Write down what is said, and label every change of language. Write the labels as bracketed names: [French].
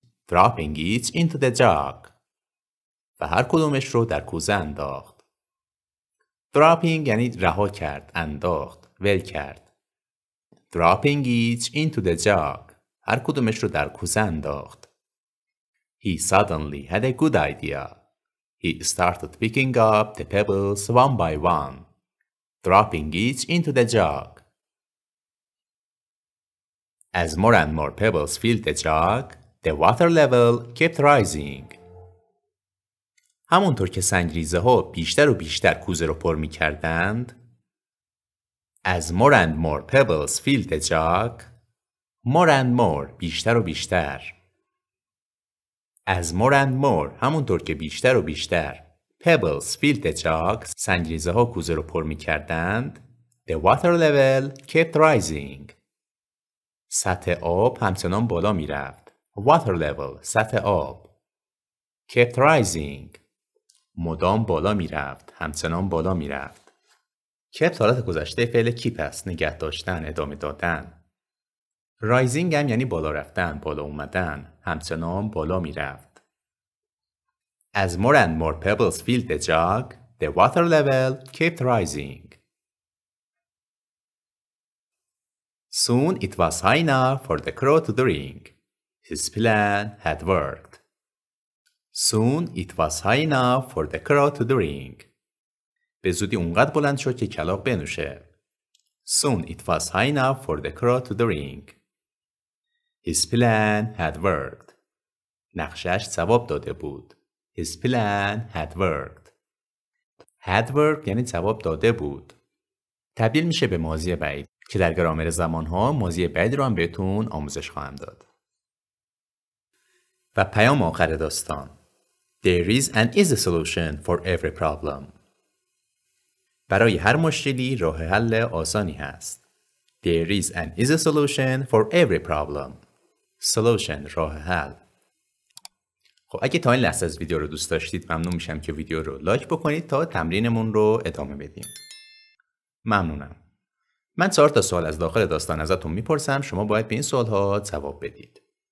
[English] Dropping each into the jug. [Persian] و هر کدومش رو در کوزه انداخت. Dropping یعنی رها کرد، انداخت، ول کرد. [English] Dropping each into the jug. [Persian] هر کدومش رو در کوزه انداخت. [English] He suddenly had a good idea. He started picking up the pebbles one by one. Dropping each into the jug. As more and more pebbles filled the jug, the water level kept rising. [Persian] همونطور که سنگریزه ها بیشتر و بیشتر کوزه رو پر می کردند. [English] As more and more pebbles filled the jug. More and more [Persian] بیشتر و بیشتر. [English] As more and more [Persian] همونطور که بیشتر و بیشتر [English] pebbles filled the jug [Persian] سنگریزه ها کوزه رو پر می کردند. [English] The water level kept rising. [Persian] سطح آب همچنان بالا می رفت. [English] Water level [Persian] سطح آب. [English] Kept rising. [Persian] مدام بالا می رفت. همچنان بالا می رفت. کپ حالت گذشته فعل کیپ است. نگه داشتن، ادامه دادن. رایزینگ هم یعنی بالا رفتن، بالا اومدن. همچنان بالا می رفت. [English] As more and more pebbles filled the jug, the water level kept rising. Soon it was high enough for the crow to drink. His plan had worked. Soon it was high enough for the crow to drink. [Persian] به زودی اونقدر بلند شد که کلاغ بنوشه. [English] Soon it was high enough for the crow to drink. His plan had worked. [Persian] نقشه‌اش ثواب داده بود. [English] His plan had worked. Had worked [Persian] یعنی ثواب داده بود. تبدیل میشه به ماضی بعید که در گرامر زمانها ماضی بعید رو هم بهتون آموزش خواهم داد. و پیام آخر داستان. [English] There is and is a solution for every problem. [Persian] برای هر مشکلی راه حل آسانی هست. [English] There is and is a solution for every problem. [Persian] Solution راه حل. خب اگه تا این لحظه از ویدیو رو دوست داشتید ممنون میشم که ویدیو رو لایک بکنید تا تمرینمون رو ادامه بدیم. ممنونم. من 4 تا سوال از داخل داستان ازتون میپرسم، شما باید به این سوال ها جواب بدید.